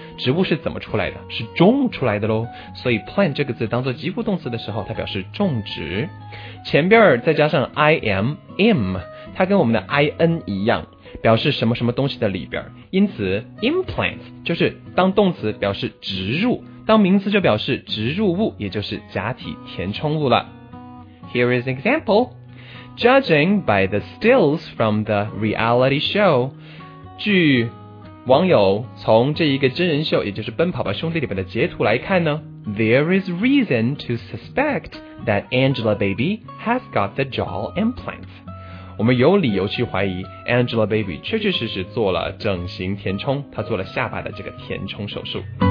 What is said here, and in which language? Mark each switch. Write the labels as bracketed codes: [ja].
[zh] 植物是怎么出来的？是种出来的咯，所以 plant 这个字当做及物动词的时候，它表示种植。前边再加上 im im， 它跟我们的 in 一样，表示什么什么东西的里边，因此 implant 就是当动词表示植入，当名词就表示植入物，也就是假体填充物了。 [en] Here is an example. Judging by the stills from the reality show, [zh] 据网友从这一个真人秀，也就是《奔跑吧兄弟》里面的截图来看呢， [en] There is reason to suspect that Angelababy has got the jaw implants. [zh] 我们有理由去怀疑 Angelababy 确确实实做了整形填充，她做了下巴的这个填充手术。